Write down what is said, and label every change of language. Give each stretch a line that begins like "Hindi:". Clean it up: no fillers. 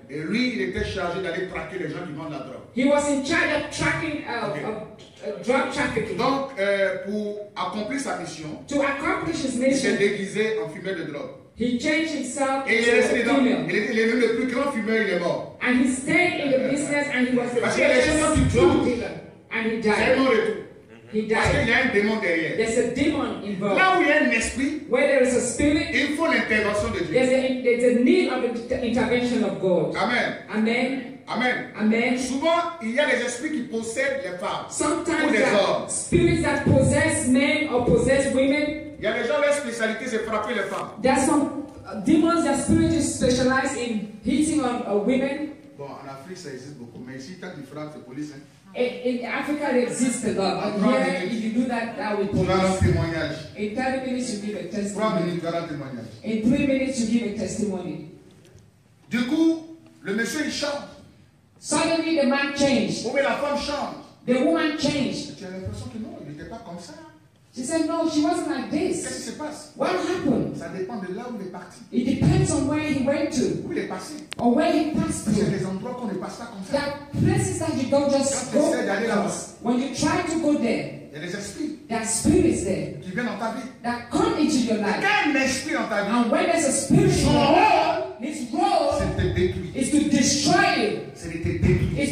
French: Et lui, il était chargé d'aller traquer les gens qui vendent la drogue.
English: He was in charge of tracking drug trafficking.
French: Donc, pour accomplir sa mission.
English: To accomplish his mission.
French: Il s'est déguisé en fumeur de drogue.
English: He changed himself into a female.
French: Il est même le plus grand fumeur, il est mort.
English: And he stayed in the business and he was a professional drug dealer. And he died.
French: C'est mort et tout.
English: He died.
French: Parce qu'il y a un démon derrière.
English: There's a demon involved.
French: Là où il y a un esprit,
English: where there is a spirit,
French: il faut l'intervention de Dieu.
English: There's a need of the intervention of God. Amen. Amen. Amen. Amen.
French: Souvent, il y a des esprits qui possèdent les femmes.
English: Sometimes
French: ou les hommes.
English: Spirits that possess men or possess women.
French: Il y a des gens, leur spécialité, c'est frapper les femmes.
English: There are some demons, their spirit is specialized in hitting on women.
French: Bon, en Afrique, ça existe beaucoup. Mais ici, tant qu'ils frappent, c'est police. Hein?
English: In Africa, it exists a lot. And here, if you do that, that will be possible. In 30 minutes, you give a testimony. 3 minutes, in 3 minutes, you give a testimony.
French: Du coup, le monsieur, il change.
English: Suddenly, the man changed.
French: Oui, la femme change.
English: The woman changed.
French: Tu as l'impression que non, il n'était pas comme ça.
English: She said, no, she wasn't like this.
French: Qu'est-ce qui se passe?
English: What happened?
French: Ça dépend de là où il est parti.
English: It depends on where he went to.
French: Où il est passé?
English: Or where he passed to.
French: C'est des endroits qu'on ne passe pas comme ça.
English: There are places that you don't just go. When you try to go there,
French: il y a des esprits.
English: There are spirits there.
French: Qui viennent dans ta vie.
English: That come into your life.
French: Et quand un esprit dans ta vie.
English: And when there's a spirit, his role is to destroy you. It's